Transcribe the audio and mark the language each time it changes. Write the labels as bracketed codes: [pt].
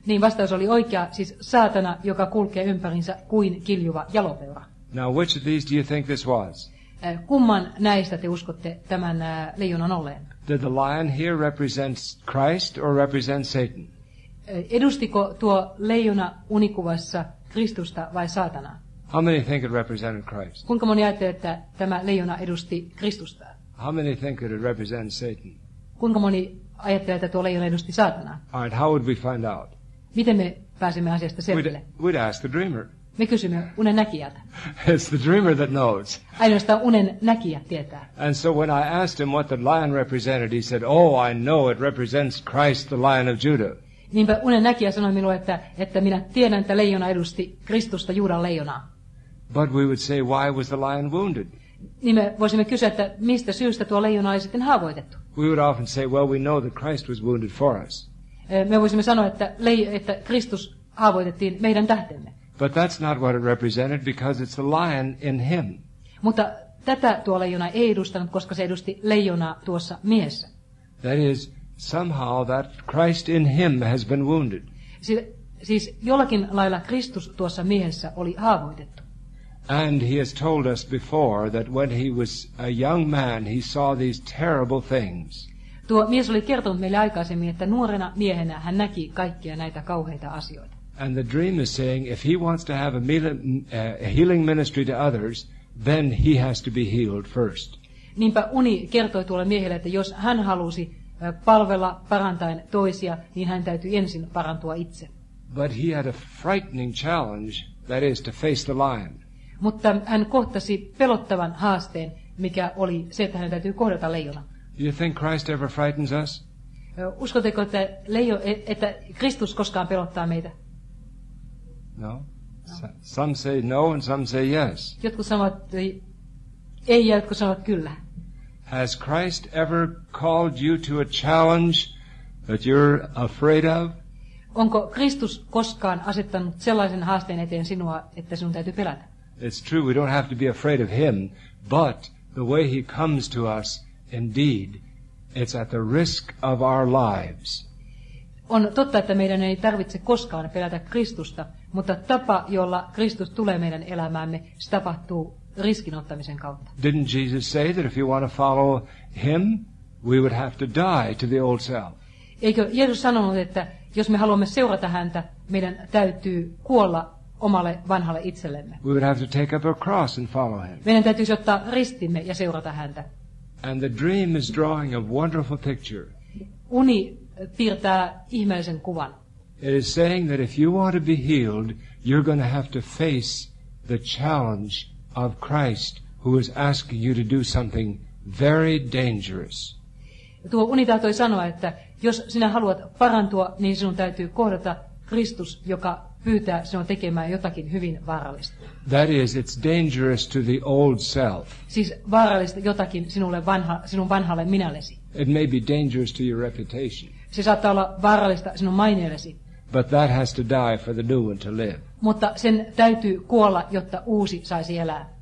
[fi] Niin vastaus oli oikea, siis saatana, joka kulkee ympärinsä kuin kiljuva jalopeura. [en] Now, which of these do you think this was? [fi] Kumman näistä te uskotte tämän leijonan olleen? [en] Did the lion here represent Christ or represent Satan? [fi] Edustiko tuo leijona unikuvassa Kristusta vai saatanaa? [en] How many think it represented Christ? [fi] Kuinka moni ajattelee, että tämä leijona edusti Kristusta? [en] How many think it represents Satan? [fi] Kuinka moni ajattelee, että tuo leijona edusti saatanaa? [en] All right, how would we find out? [fi] Miten me pääsemme asiasta selville? [en] We'd ask the dreamer. [fi] Me kysymme unen näkijältä. [en] It's the dreamer that knows. [fi] Ainoastaan unen näkijä tietää. [en] And so when I asked him what the lion represented, he said, "Oh, I know it represents Christ, the Lion of Judah." [fi] Niinpä unen näkijä sanoi minulle, että minä tiedän, että leijona edusti Kristusta, Juudan leijonaa. [en] But we would say, why was the lion wounded? [fi] Niin me voisimme kysyä, että mistä syystä tuo leijona oli sitten haavoitettu? [en] We would often say, well, we know that Christ was wounded for us. [fi] Me voisimme sanoa, että Kristus haavoitettiin meidän tähtemme. [en] But that's not what it represented, because it's the lion in him. [fi] Mutta tätä tuo leijona ei edustanut, koska se edusti leijonaa tuossa miehessä. [en] That is, somehow that Christ in him has been wounded. [fi] Siis jollakin lailla Kristus tuossa miehessä oli haavoitettu. [en] And he has told us before that when he was a young man he saw these terrible things. [fi] Tuo mies oli kertonut meille aikaisemmin, että nuorena miehenä hän näki kaikkia näitä kauheita asioita. [en] And the dream is saying if he wants to have a healing ministry to others, then he has to be healed first. [fi] Niinpä uni kertoi tuolle miehelle, että jos hän halusi palvella parantaen toisia, niin hän täytyy ensin parantua itse. [en] But he had a frightening challenge, that is to face the lion. [fi] Mutta hän kohtasi pelottavan haasteen, mikä oli se, että hän täytyy kohdata leijona. [en] Do you think Christ ever frightens us? [fi] Uskotteko, että Kristus koskaan pelottaa meitä? [en] No. Some say no and some say yes. [fi] Jotkut sanovat ei ja jotkut sanovat kyllä. [en] Has Christ ever called you to a challenge that you're afraid of? [fi] Onko Kristus koskaan asettanut sellaisen haasteen eteen sinua, että sinun täytyy pelätä? [en] It's true, we don't have to be afraid of him, but the way he comes to us, indeed, it's at the risk of our lives. [fi] On totta, että meidän ei tarvitse koskaan pelätä Kristusta, mutta tapa, jolla Kristus tulee meidän elämäämme, se tapahtuu riskin ottamisen kautta. [en] Didn't Jesus say that if you want to follow him, we would have to die to the old self? [fi] Eikö Jeesus sanonut, että jos me haluamme seurata häntä, meidän täytyy kuolla omalle vanhalle itsellemme. [en] We would have to take up our cross and follow him. [fi] Meidän täytyisi ottaa ristimme ja seurata häntä. [en] And the dream is drawing a wonderful picture. [fi] Uni piirtää ihmeellisen kuvan. [en] It is saying that if you want to be healed, you're going to have to face the challenge of Christ, who is asking you to do something very dangerous. [fi] Tuo uni tahtoi sanoa, että jos sinä haluat parantua, niin sinun täytyy kohdata Kristus, joka pyytää sinua tekemään jotakin hyvin vaarallista. [en] That is, it's dangerous to the old self. [fi] Siis vaarallista jotakin sinun vanhalle minällesi. [en] It may be dangerous to your reputation. [fi] Se saattaa olla vaarallista sinun maineellesi. [en] But that has to die for the new one to live. [fi] Mutta sen täytyy kuolla, jotta uusi saisi elää.